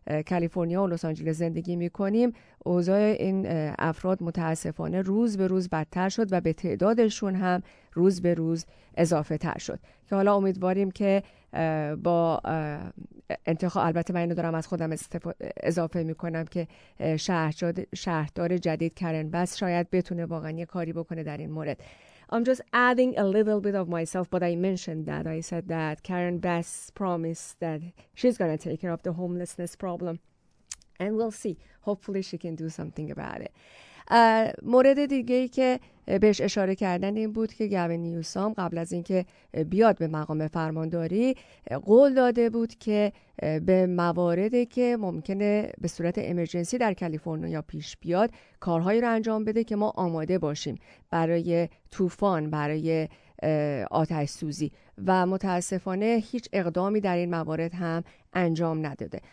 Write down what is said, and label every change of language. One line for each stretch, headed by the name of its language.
Persian: کالیفرنیا و لس آنجلس زندگی میکنیم، اوضاع این افراد متاسفانه روز به روز بدتر شد و به تعدادشون هم روز به روز اضافه تر شد که حالا امیدواریم که با انتخاب، البته من اینو دارم از خودم اضافه میکنم که شهردار جدید کارن بس شاید بتونه واقعا یه کاری بکنه در این مورد.
English: I'm just adding a little bit of myself, but I mentioned that. I said that Karen Bass promised that she's going to take care of the homelessness problem. And we'll see. Hopefully she can do something about it.
Persian: مورد دیگه ای که بهش اشاره کردن این بود که گوین نیوسام قبل از اینکه بیاد به مقام فرمانداری قول داده بود که به مواردی که ممکنه به صورت امرجنسی در کالیفرنیا پیش بیاد کارهایی رو انجام بده که ما آماده باشیم برای طوفان، برای آتش سوزی، و متاسفانه هیچ اقدامی در این موارد هم انجام نداده.